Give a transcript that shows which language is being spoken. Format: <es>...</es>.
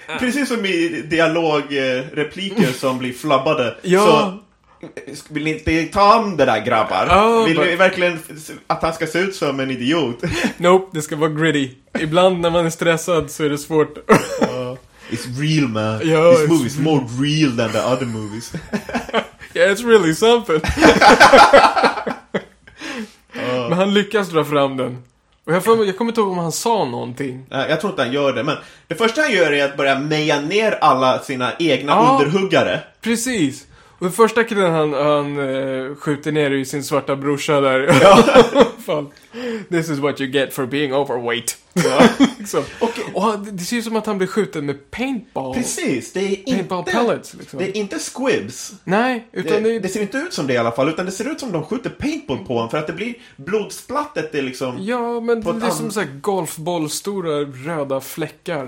<sv>Precis som i dialogrepliker som blir flabbade. Ja. Så vill ni inte ta om det där grabbar? Vill ni verkligen att han ska se ut som en idiot? Nope, det ska vara gritty. Ibland när man är stressad så är det svårt...</sv> <en>It's real, man. Yo, this movie is more real than the other movies. Yeah, it's really something.</en> <sv>Men han lyckas dra fram den. Och jag kommer inte ihåg om han sa någonting. Jag tror inte han gör det, men det första han gör är att börja meja ner alla sina egna underhuggare. Precis. Och den första killen han skjuter ner i sin svarta brorsa där. Ja. Fan.</sv> <en>This is what you get for being overweight.</en> <sv>Ja.</sv> <en>Okay.</en> <sv>Och det ser ut som att han blir skjuten med paintball. Precis, det är paintball inte pellets, liksom. Det är inte squibs. Nej, utan det ser inte ut som det i alla fall, utan det ser ut som de skjuter paintball på honom, för att det blir blodsplattet, det är liksom. Ja, men det är som så här golfbollstora röda fläckar.</sv>